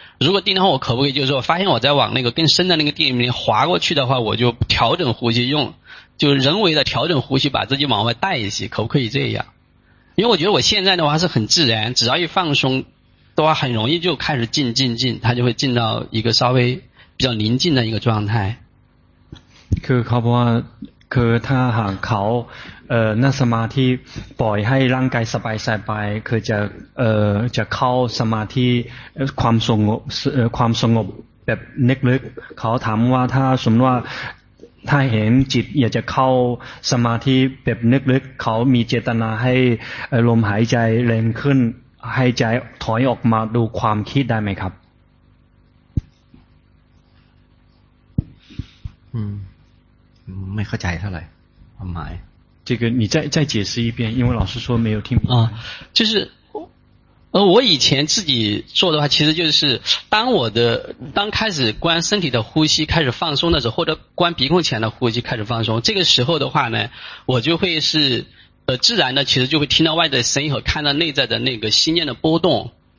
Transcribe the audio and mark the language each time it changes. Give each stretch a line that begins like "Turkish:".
Chinese: 如果定的话，我可不可以就是说，发现我在往那个更深的那个定里面滑过去的话，我就调整呼吸，用就人为的调整呼吸，把自己往外带一些，可不可以这样？因为我觉得我现在的话是很自然，只要一放松的话很容易就开始进，它就会进到一个稍微比较宁静的一个状态。
Thai: คือเขาบอกว่าคือถ้าหากเขาเอ่อนั่งสมาธิปล่อยให้ร่างกายสบายๆไปคือจะจะเข้าสมาธิความสงบแบบลึกๆเขาถามว่าถ้าสมมติว่าถ้าเห็นจิตอยากจะเข้าสมาธิแบบลึกเขามีเจตนาให้ลมหายใจแรงขึ้นให้ใจถอยออกมาดูความคิดได้ไหมครับ ไม่เข้าใจเท่าไหร่ความหมาย
Chinese: 这个你再解释一遍因为老师说没有听明白就是我以前自己做的话其实就是当开始观身体的呼吸开始放松的时候或者观鼻孔前的呼吸开始放松这个时候的话呢我就会是自然的其实就会听到外在声音和看到内在的那个心念的波动